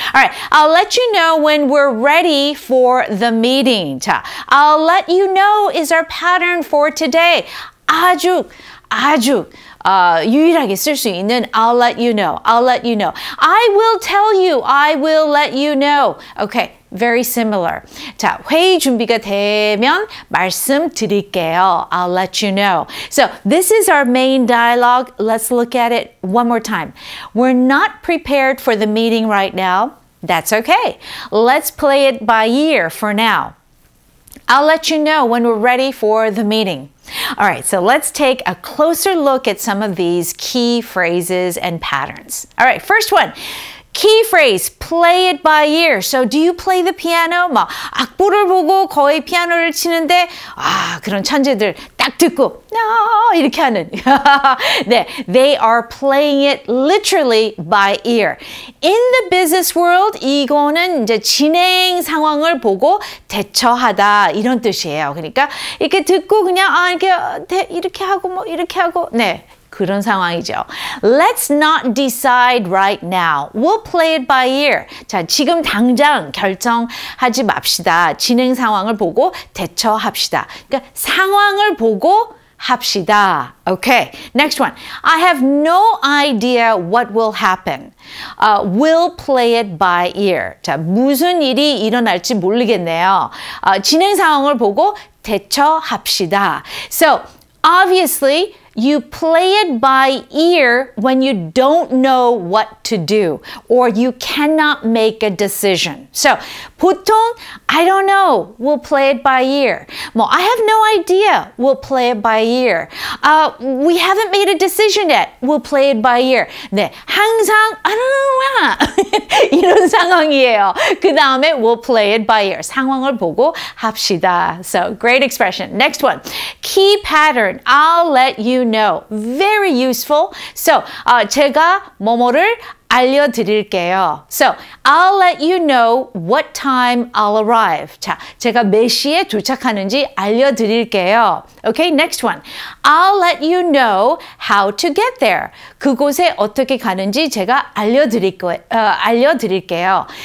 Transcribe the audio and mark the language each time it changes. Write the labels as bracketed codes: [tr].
[en] Alright, I'll let you know when we're ready for the meeting. 자, I'll let you know is our pattern for today. [ko] 아주, 아주 유일하게 쓸 수 있는 [en] I'll let you know, I'll let you know. I will tell you, I will let you know. Okay, very similar. [ko] 자, 회의 준비가 되면 말씀드릴게요. [en] I'll let you know. So, this is our main dialogue. Let's look at it one more time. We're not prepared for the meeting right now. That's okay. Let's play it by ear for now. I'll let you know when we're ready for the meeting. All right, so let's take a closer look at some of these key phrases and patterns. All right, first one, key phrase, play it by ear. So do you play the piano? [ko] 막 악보를 보고 거의 피아노를 치는데 아, 그런 천재들 딱 듣고 이렇게 하는. [en] 네, they are playing it literally by ear. In the business world, [ko] 이거는 이제 진행 상황을 보고 대처하다 이런 뜻이에요. 그러니까 이렇게 듣고 그냥 아 이렇게 이렇게 하고 뭐 이렇게 하고 네 그런 상황이죠. [en] Let's not decide right now. We'll play it by ear. [ko] 자, 지금 당장 결정하지 맙시다. 진행 상황을 보고 대처합시다. 그러니까 상황을 보고 합시다. [en] Okay, next one. I have no idea what will happen. We'll play it by ear. [ko] 자, 무슨 일이 일어날지 모르겠네요. 진행 상황을 보고 대처합시다. [en] So, obviously, you play it by ear when you don't know what to do or you cannot make a decision. So, 보통, I don't know, we'll play it by ear. 뭐, I have no idea, we'll play it by ear. We haven't made a decision yet, we'll play it by ear. [ko] 네, 항상, [en] I don't know, [ko] 이런 상황이에요. 그 다음에, [en] we'll play it by ear. [ko] 상황을 보고 합시다. [en] So, great expression. Next one, key pattern, I'll let you know. Very useful. [ko] So, 제가 뭐뭐를 알려드릴게요. [en] So, I'll let you know what time I'll arrive. [ko] 자, 제가 몇 시에 도착하는지 알려드릴게요. [en] Okay, next one. I'll let you know how to get there. [ko] 그곳에 어떻게 가는지 제가 알려드릴게요.